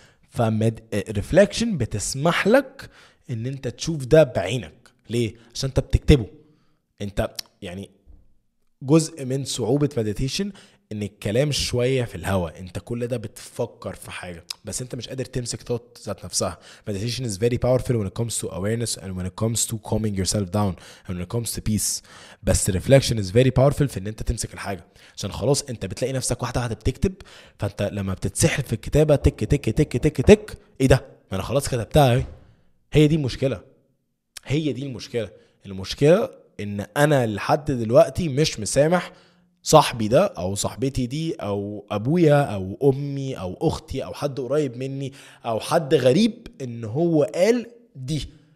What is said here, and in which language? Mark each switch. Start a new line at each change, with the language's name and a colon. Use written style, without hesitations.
Arabic: فريفلكشن بتسمح لك ان انت تشوف ده بعينك. ليه؟ عشان انت بتكتبه. انت يعني جزء من صعوبة مديتيشن ان الكلام شوية في الهواء، انت كل ده بتفكر في حاجة بس انت مش قادر تمسك ثوت ذات نفسها.
English: Meditation is very powerful when it comes to awareness and when it comes to calming yourself down and when it comes to peace.
Arabic: بس
English: reflection is very powerful
Arabic: في ان انت تمسك الحاجة، عشان خلاص انت بتلاقي نفسك واحدة واحدة بتكتب، فانت لما بتتسحل في الكتابة تك تك تك تك تك ايه ده؟ ما انا خلاص كتبتها. هي دي المشكلة، هي دي المشكلة المشكلة ان انا لحد دلوقتي مش مسامح صاحبي ده او صاحبتي دي او ابويا او امي او اختي او حد قريب مني او حد غريب ان هو قال دي.